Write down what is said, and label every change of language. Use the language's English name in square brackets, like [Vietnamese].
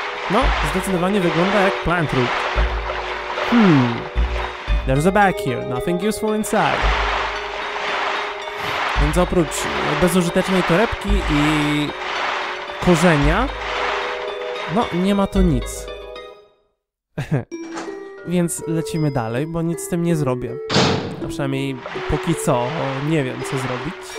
[Polish] No, zdecydowanie wygląda jak plant root. [English] There's a bag here, nothing useful inside. [Polish] Więc oprócz bezużytecznej torebki i korzenia, no, nie ma to nic. Więc lecimy dalej, bo nic z tym nie zrobię. A przynajmniej póki co, nie wiem co zrobić.